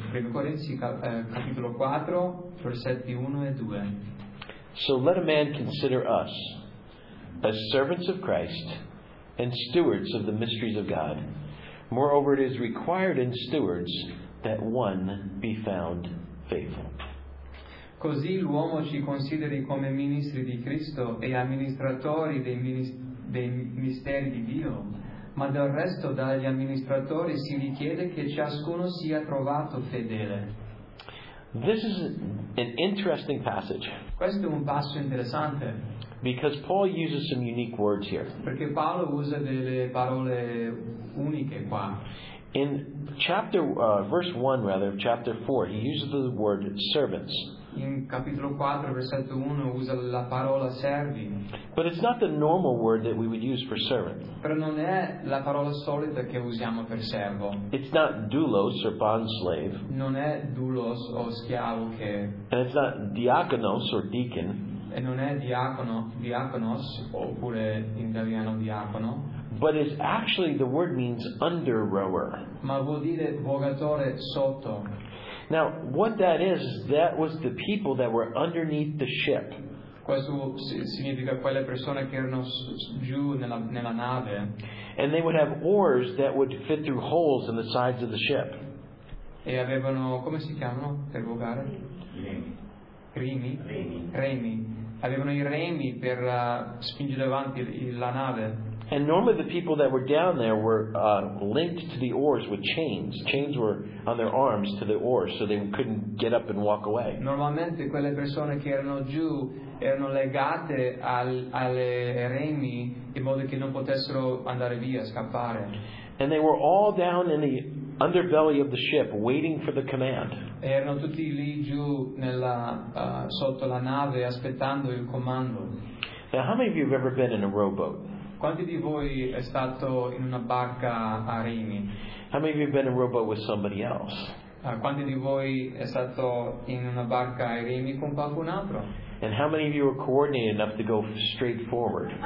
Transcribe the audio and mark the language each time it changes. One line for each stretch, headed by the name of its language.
Italian: Primo Corinzi capitolo 4 versetti 1 e 2.
English: So let a man consider us as servants of Christ and stewards of the mysteries of God. Moreover, it is required in stewards that one be found faithful.
Italian: Così l'uomo ci consideri come ministri di Cristo e amministratori dei misteri di Dio, ma del resto dagli amministratori si richiede che ciascuno sia trovato fedele.
English: This is an interesting passage.
Italian: Questo è un passo interessante.
English: Because Paul uses some unique words here.
Italian: Perché Paolo usa delle parole uniche qua.
English: In chapter verse 1 rather, chapter 4, he uses the word servants.
Italian: In capitolo 4 versetto 1 usa la parola servi.
English: But it's not the normal word that we would use for servant.
Italian: Però non è la parola solita che usiamo per servo.
English: It's not doulos or bond slave.
Italian: Non è doulos o schiavo che.
English: And it's not diakonos or deacon.
Italian: E non è diacono, diaconos oppure in italiano diacono.
English: But it's actually the word means under rower.
Italian: Ma vuol dire vogatore sotto.
English: Now, what that is, that was the people that were underneath the ship.
Italian: Questo significa quelle persone che erano giù nella nave.
English: And they would have oars that would fit through holes in the sides of the ship.
Italian: E avevano, come si chiamano per vogare? Remi. Remi. Avevano i remi per spingere avanti la nave.
English: And normally the people that were down there were linked to the oars with chains. Chains were on their arms to the oars so they couldn't get up and walk away.
Italian: Normalmente quelle persone che erano giù erano legate alle remi in modo che non potessero andare via, scappare.
English: And they were all down in the underbelly of the ship waiting for the command.
Italian: Erano tutti lì giù sotto la nave aspettando il comando.
English: Now how many of you have ever been in a rowboat?
Italian: Quanti di voi è stato in una barca a remi?
English: How many of you have been in a rowboat with somebody else?
Italian: Quanti di voi è stato in una barca a remi con qualcun altro?
English: And how many of you were coordinated enough to go straight forward?